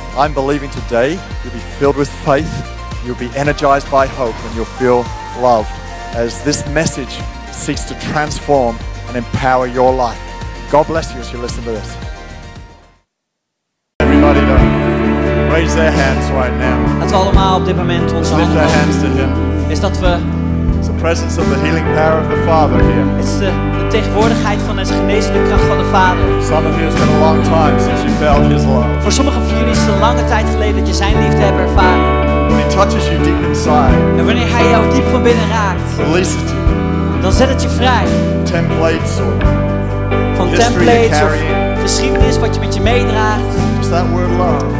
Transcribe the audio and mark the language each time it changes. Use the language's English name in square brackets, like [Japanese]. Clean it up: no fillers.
[English] I'm believing today you'll be filled with faith, you'll be energized by hope, and you'll feel loved as this message seeks to transform and empower your life. God bless you as you listen to this. Everybody, raise their hands right now. [Dutch] Dat we allemaal op dit moment ons [English] lift our hands to Him. [Dutch] Is dat we? [English] It's the presence of the healing power of the Father here. It's the [Dutch] tegenwoordigheid van de genezende kracht van de Vader. [English] Some of you have spent a long time since you felt His love. [Dutch] Voor sommigen van jullie is het een lange tijd geleden dat je Zijn liefde hebt ervaren. [English] When He touches you deep inside. [Dutch] En wanneer Hij jou diep van binnen raakt. [English] Release it. [Dutch] Dan zet het je vrij. [English] Templates or [Dutch] van templates of geschiedenis wat je met je meedraagt. [English] Just that word love.